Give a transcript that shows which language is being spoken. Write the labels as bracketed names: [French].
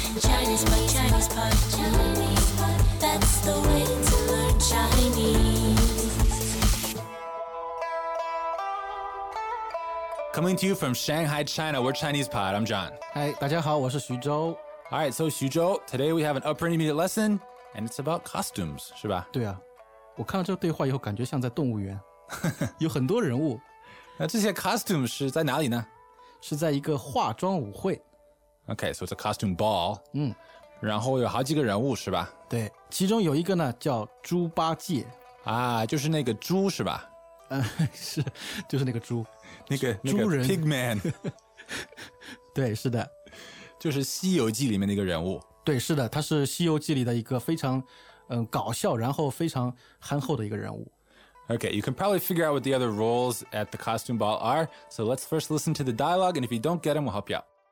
[English] Chinese pod, Chinese pod, Chinese pod, that's the way to learn Chinese. Coming to you from Shanghai, China, we're Chinese pod. I'm John. [Chinese] Hi, 大家好，我是徐州。 [English] All right, so 徐州, today we have an upper intermediate lesson, and it's about costumes, 是吧？ [Chinese] 对啊，我看到这个对话以后感觉像在动物园，有很多人物。那这些 costume 是在哪里呢？是在一个化妆舞会。 [English] Okay, so it's a costume ball. [Chinese] 然后有好几个人物，是吧？对，其中有一个呢，叫猪八戒。啊，就是那个猪，是吧？是，就是那个猪。猪人。那个 pig man。对，是的。就是西游记里面的一个人物。对，是的，他是西游记里的一个非常搞笑然后非常憨厚的一个人物。 [English] Okay, you can probably figure out what the other roles at the costume ball are, so let's first listen to the dialogue, and if you don't get them, we'll help you out.